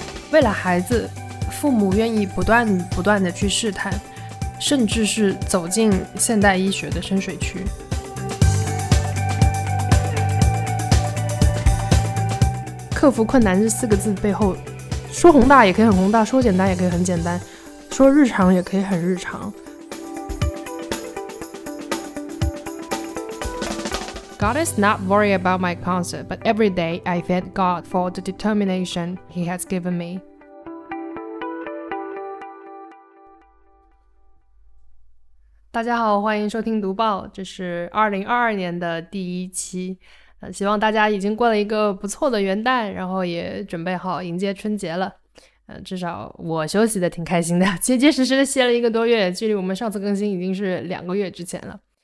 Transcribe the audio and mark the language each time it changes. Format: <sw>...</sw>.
<zh>为了孩子，父母愿意不断地去试探，甚至是走进现代医学的深水区。克服困难这四个字背后，说宏大也可以很宏大，说简单也可以很简单，说日常也可以很日常。</zh> <en>God is not worried about my concert, but every day I thank God for the determination He has given me.</en> <zh>大家好，欢迎收听读报，这是2022年的第一期。希望大家已经过了一个不错的元旦，然后也准备好迎接春节了。至少我休息的挺开心的，结结实实的歇了一个多月，距离我们上次更新已经是两个月之前了。</zh>